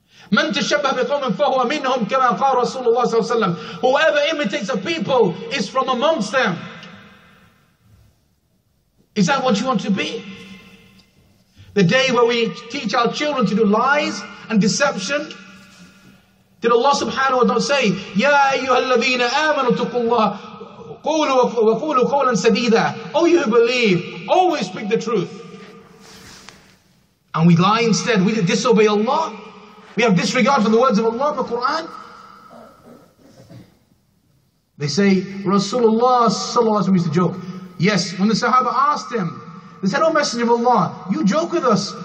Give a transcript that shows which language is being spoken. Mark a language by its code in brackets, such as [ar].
[ar] مَنْ تَشَبَّهَ بِقَوْمٍ فَهُوَ مِنْهُمْ كَمَا قَالَ رَسُولُ اللَّهِ صَلَّى اللَّهُ عَلَيْهِ وَسَلَّمَ. [en] Whoever imitates a people is from amongst them. Is that what you want to be? The day where we teach our children to do lies and deception? Did Allah subhanahu wa ta'ala say, [ar] يَا أَيُّهَا الَّذِينَ آمَنُوا تُقُوا اللَّهَ قُولُوا قَوْلًا سَدِيدًا. [en] Oh, you who believe, always speak the truth. And we lie instead, we disobey Allah. We have disregard for the words of Allah in the Quran. They say, Rasulullah sallallahu alayhi wa sallam used to joke. Yes, when the Sahaba asked him, they said, oh Messenger of Allah, you joke with us.